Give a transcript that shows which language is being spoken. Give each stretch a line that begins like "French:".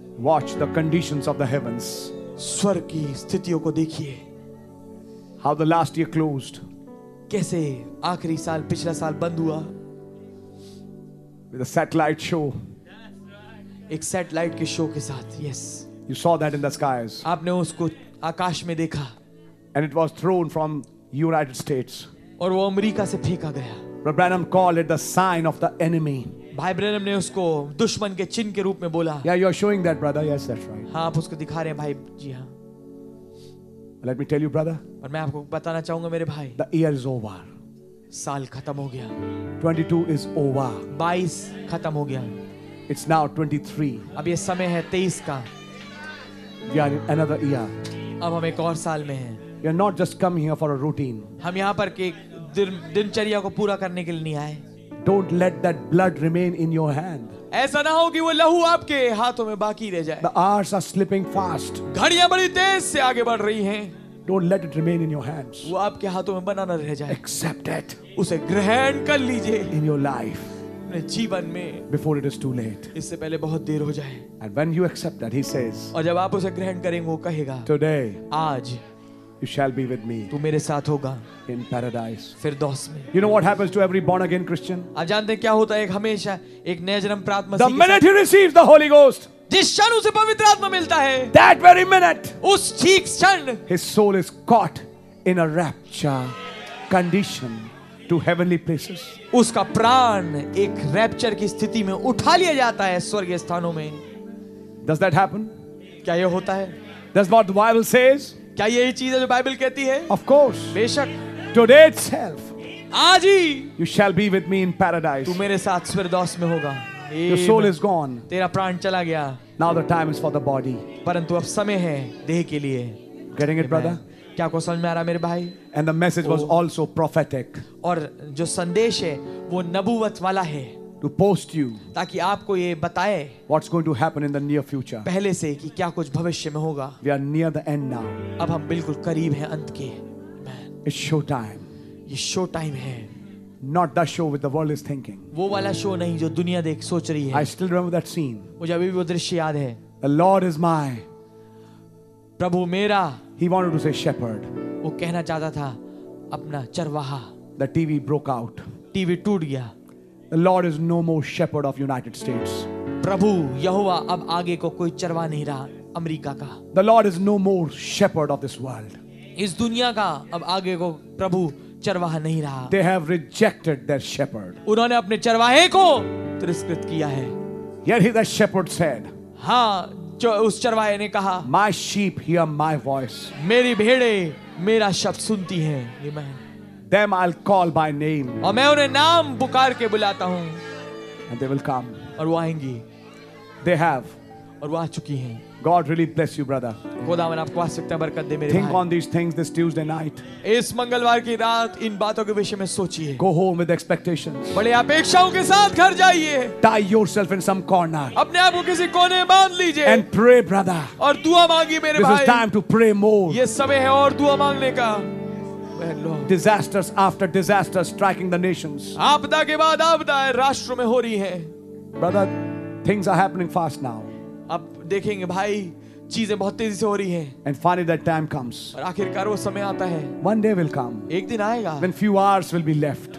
English: Watch the conditions of the heavens.
Hindi: स्वर्ग की स्थितियों को देखिए.
English: How the last year closed?
Hindi: कैसे आखिरी साल पिछला साल बंद हुआ?
English: With a satellite show.
Hindi: एक सैटेलाइट के शो के साथ.
English: Yes. You saw that in the skies.
Hindi: आपने उसको आकाश में देखा.
English: And it was thrown from United States.
Hindi: और वो अमेरिका से फेंका गया.
English: But Branham called it the sign of the enemy.
Hindi: भाई ब्रैनम ने उसको दुश्मन के चिन्ह के रूप में बोला.
English: Yeah, you are showing that, brother. Yes, that's right.
Hindi: हाँ, आप उसको दिखा रहे हैं भाई. जी हाँ.
English: Let me tell you, brother.
Hindi: पर मैं आपको बताना चाहूँगा मेरे भाई.
English: The year is over.
Hindi: साल खत्म हो गया.
English: 22 is over.
Hindi: 22 खत्म हो गया.
English: It's now 23.
Hindi: अब ये समय है 23 का.
English: We are in another year.
Hindi: अब हम एक और साल में हैं.
English: You are not just coming here for a routine.
Hindi: हम यहाँ पर के दिनचर्या को पूरा करने के लिए नहीं आए.
English: Don't let that blood remain in your hand.
Hindi: ऐसा ना हो कि वो लहू आपके हाथों में बाकी रह जाए.
English: The hours are slipping fast.
Hindi: घड़ियां बड़ी तेज से आगे बढ़ रही हैं.
English: Don't let it remain in your hands.
Hindi: वो आपके हाथों में बना ना रह जाए.
English: Accept it.
Hindi: उसे ग्रहण कर लीजिए.
English: In your life.
Hindi: अपने जीवन में.
English: Before it is too late.
Hindi: इससे पहले बहुत देर हो जाए.
English: And when you accept that, he says.
Hindi: और जब आप उसे ग्रहण करेंगे, वो कहेगा.
English: Today.
Hindi: आज.
English: You shall be with me.
Hindi: तू मेरे साथ होगा.
English: In paradise.
Hindi: फिरदौस में.
English: You know what happens to every born again Christian?
Hindi: आप जानते हैं क्या होता है एक हमेशा एक नए जन्म प्राप्त मसीह.
English: The minute he receives the Holy Ghost.
Hindi: जिस क्षण उसे पवित्र आत्मा मिलता है.
English: That very minute.
Hindi: उस ठीक क्षण.
English: His soul is caught in a rapture condition to heavenly places.
Hindi: उसका प्राण एक रैप्चर की स्थिति में उठा लिया जाता है स्वर्गीय स्थानों में.
English: Does that happen?
Hindi: क्या यह होता है?
English: That's what the Bible says.
Hindi: क्या यही चीज है जो बाइबल कहती है?
English: Of course.
Hindi: बेशक.
English: Today itself.
Hindi: आज ही.
English: You shall be with me in paradise.
Hindi: तू मेरे साथ स्वर्गदौस में होगा.
English: Your soul is gone.
Hindi: तेरा प्राण चला गया.
English: Now the time is for the body.
Hindi: परंतु अब समय है देह के लिए.
English: Getting it, brother?
Hindi: क्या को समझ में आ रहा मेरे भाई?
English: And the message was also prophetic.
Hindi: और जो संदेश है वो नबुवत वाला है.
English: To post you.
Hindi: ताकि आपको ये बताए.
English: What's going to happen in the near future?
Hindi: पहले से कि क्या कुछ भविष्य में होगा.
English: We are near the end now.
Hindi: अब हम बिल्कुल करीब हैं अंत के.
English: It's show time.
Hindi: ये
English: show time
Hindi: है.
English: Not the show with the world is thinking.
Hindi: वो वाला show नहीं जो दुनिया देख सोच रही है.
English: I still remember that scene.
Hindi: मुझे अभी भी वो दृश्य याद है.
English: The Lord is my.
Hindi: प्रभु मेरा.
English: He wanted to say shepherd.
Hindi: वो कहना चाहता था अपना चरवाहा.
English: The TV broke out.
Hindi: TV टूट गया.
English: The Lord is no more shepherd of United States.
Hindi: प्रभु यहोवा अब आगे को कोई चरवा नहीं रहा अमेरिका का.
English: The Lord is no more shepherd of this world.
Hindi: इस दुनिया का अब आगे को प्रभु चरवाहा नहीं रहा.
English: They have rejected their shepherd.
Hindi: उन्होंने अपने चरवाहे को तिरस्कृत किया है.
English: Yet he, the shepherd said.
Hindi: हाँ, जो उस चरवाहे ने कहा.
English: My sheep hear my voice.
Hindi: मेरी भेड़े मेरा शब्द सुनती हैं.
English: Amen. Them I'll call by name.
Hindi: और मैं उन्हें नाम पुकार के बुलाता हूँ.
English: And they will come.
Hindi: और वो आएंगी.
English: They have.
Hindi: और वो आ चुकी हैं.
English: God really bless you, brother.
Hindi: खुदावन आपको आशीर्वाद बरकत दे मेरे भाई.
English: Think on these things this Tuesday night.
Hindi: इस मंगलवार की रात इन बातों के विषय में सोचिए.
English: Go home with expectations.
Hindi: बड़े अपेक्षाओं के साथ घर जाइए.
English: Tie yourself in some corner.
Hindi: अपने आप को किसी कोने में बांध लीजिए.
English: And pray, brother.
Hindi: और दुआ मांगिए मेरे भाई.
English: This is time to pray more.
Hindi: ये समय है और दुआ मांगने का.
English: Disasters after disasters striking the nations.
Hindi: आपदा के बाद आपदा राष्ट्रों में हो रही है.
English: Brother, things are happening fast now.
Hindi: अब देखेंगे भाई, चीजें बहुत तेजी से हो रही हैं.
English: And finally that time comes.
Hindi: और आखिरकार वो समय आता है.
English: One day will come.
Hindi: एक दिन आएगा.
English: When few hours will be left.